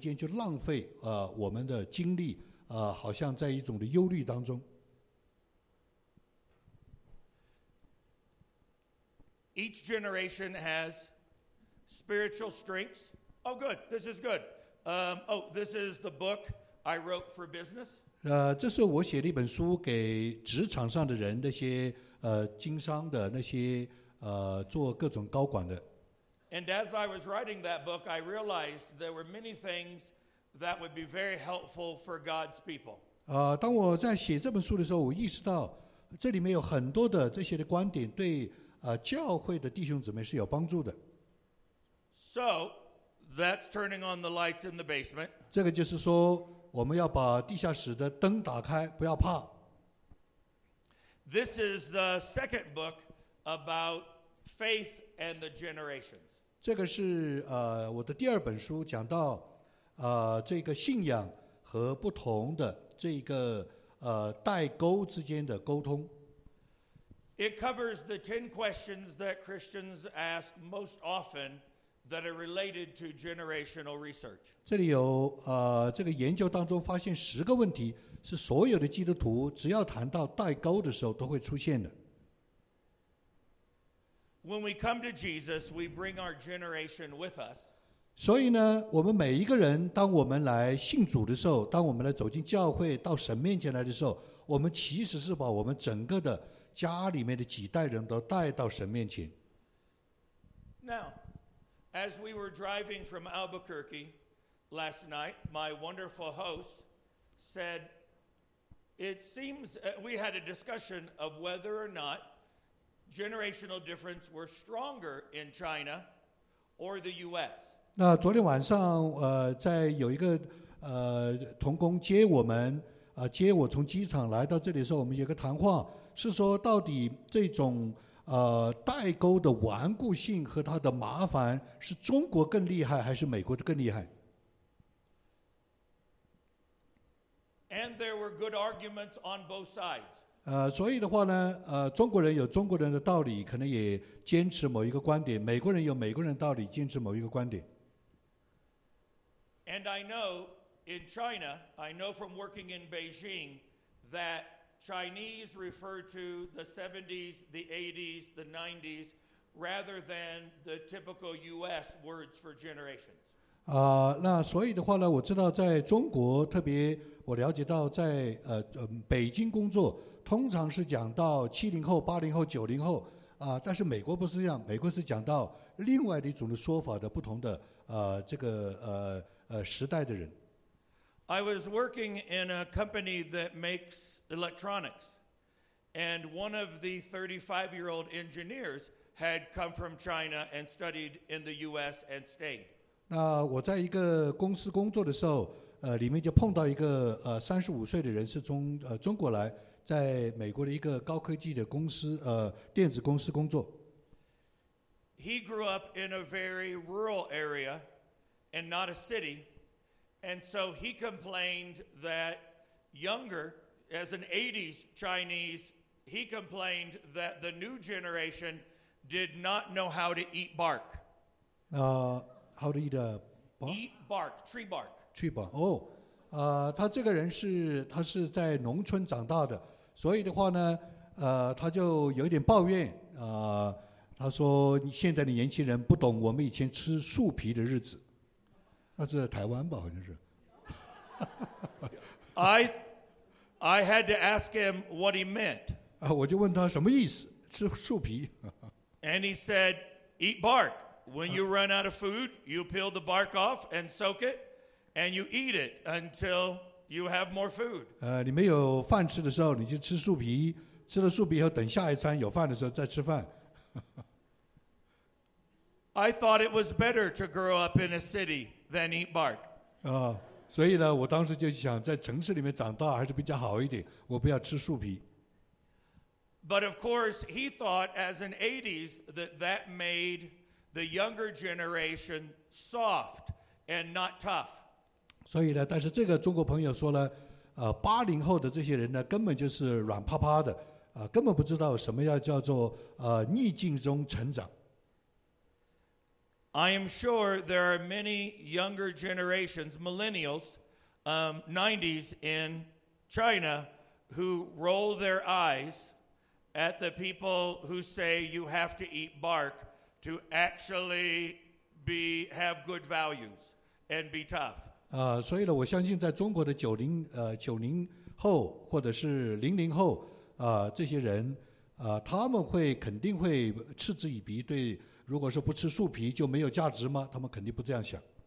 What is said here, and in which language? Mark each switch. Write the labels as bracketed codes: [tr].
[zh] 所以呢，当我们明白有这样的一种的社会学的眼光的时候，我们就知道我们有些什么样的事情不必花时间去浪费我们的精力。 [en] Each generation has spiritual strengths. Oh, good. This is good. This is the book I wrote for business. [zh] 这是我写的一本书给职场上的人，那些经商的，那些做各种高管的。 [en] And as I was writing that book, I realized there were many things that would be very helpful for God's people. [zh] 当我在写这本书的时候，我意识到这里面有很多的这些的观点对教会的弟兄姊妹是有帮助的。 [en] So, That's turning on the lights in the basement. [zh] 这个就是说我们要把地下室的灯打开，不要怕。 [en] This is the second book about faith and the generations. [zh] 这个是我的第二本书，讲到这个信仰和不同的这个代沟之间的沟通。 [en] It covers the 10 questions that Christians ask most often that are related to generational research. [zh] 这里有这个研究当中发现十个问题是所有的基督徒只要谈到代沟的时候都会出现的。 [en] When we come to Jesus, we bring our generation with us. [zh] 所以呢，我们每一个人，当我们来信主的时候，当我们来走进教会，到神面前来的时候，我们其实是把我们整个的家里面的几代人都带到神面前。 [en] Now, as we were driving from Albuquerque last night, my wonderful host said, "It seems we had a discussion of whether or not generational difference were stronger in China or the U.S." [zh] 那昨天晚上，在有一个同工接我们，接我从机场来到这里的时候，我们有个谈话。是说到底这种代沟的顽固性和它的麻烦是中国更厉害还是美国更厉害 [en] ？And there were good arguments on both sides. [zh] 所以的话呢，中国人有中国人的道理，可能也坚持某一个观点；美国人有美国人的道理，坚持某一个观点。 [en] And I know in China, I know from working in Beijing that. Chinese refer to the 70s, the 80s, the 90s, rather than the typical U.S. words for generations. [zh] 那所以的话呢，我知道在中国，特别我了解到在北京工作，通常是讲到70后、80后、90后但是美国不是这样，美国是讲到另外的一种的说法的不同的这个时代的人。 [en] I was working in a company that makes electronics, and one of the 35-year-old engineers had come from China and studied in the U.S. and stayed. [zh] 那我在一个公司工作的时候，里面就碰到一个35岁的人是从中国来，在美国的一个高科技的公司电子公司工作。 [en] He grew up in a very rural area, and not a city. And so he complained that younger, as an 80s Chinese, he complained that the new generation did not know how to eat bark. How to eat bark? Eat bark, tree bark. Tree bark, oh. [zh] 他这个人是他是在农村长大的，所以的话呢，他就有点抱怨，他说现在的年轻人不懂我们以前吃树皮的日子。那是台湾吧，好像是。 [en] I had to ask him what he meant. [zh] 我就问他什么意思，吃树皮。 [en] And he said, "Eat bark. When you run out of food, you peel the bark off and soak it, and you eat it until you have more food." [zh] 你没有饭吃的时候，你就吃树皮。吃了树皮以后，等下一餐有饭的时候再吃饭。 [en] I thought it was better to grow up in a city. Then eat bark. [zh] 所以呢，我当时就想在城市里面长大还是比较好一点，我不要吃树皮。 [en] But of course, he thought as an 80s that made the younger generation soft and not tough. [zh] 所以呢，但是这个中国朋友说呢，八零后的这些人呢，根本就是软趴趴的，根本不知道什么要叫做逆境中成长。 [en] I am sure there are many younger generations, millennials, 90s in China, who roll their eyes at the people who say you have to eat bark to actually have good values and be tough. [zh] 所以呢，我相信在中国的九零后或者是零零后，这些人，他们会肯定会嗤之以鼻对。如果说不吃树皮就没有价值吗？他们肯定不这样想。